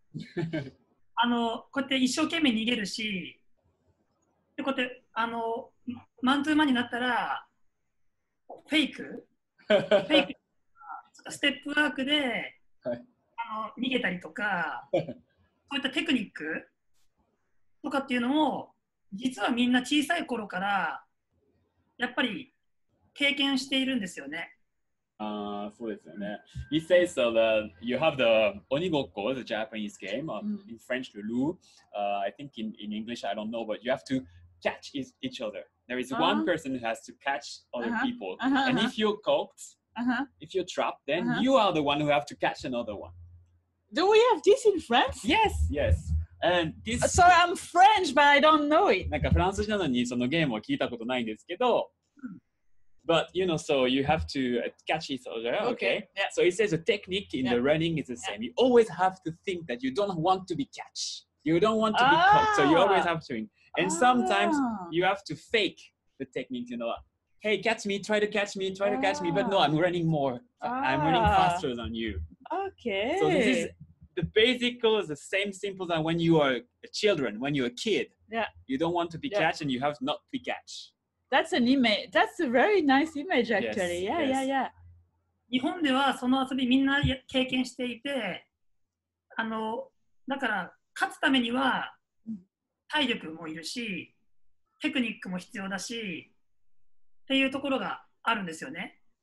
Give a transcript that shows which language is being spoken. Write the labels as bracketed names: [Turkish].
[Japanese] こうやって一生懸命逃げるし、でこうやってマントゥーマンになったらフェイクステップワークで、はい、逃げたりとかこういったテクニックとかっていうのも実はみんな小さい頃からやっぱり経験しているんですよね。そうですよね。 [English] He says so that you have the 鬼ごっこ, the Japanese game, in French, Lulu. I think in English, I don't know, but you have to catch each other. There is one person who has to catch other people. And if you're caught, if you're trapped, then you are the one who have to catch another one. Do we have this in France? Yes, yes. And this... So I'm French, but I don't know it. [Japanese] なんかフランス人なのにそのゲームを聞いたことないんですけど、 [English] But you know, so you have to catch each other, okay? Yeah. So he says the technique in the running is the same. You always have to think that you don't want to be catch. You don't want to be caught. So you always have to. And sometimes you have to fake the technique, you know, hey, catch me, try to catch me, try to catch me, but no, I'm running more. I'm running faster than you. Okay. So this is the basic, the same simple as when you are a children, when you're a kid. Yeah. You don't want to be catch and you have not to be catch. That's an image. That's a very nice image, actually. Yes. Yeah. [Japanese] 日本ではその遊びみんな経験していて、あの、だから勝つためには体力もいるし、テクニックも必要だし、っていうところがあるんですよね。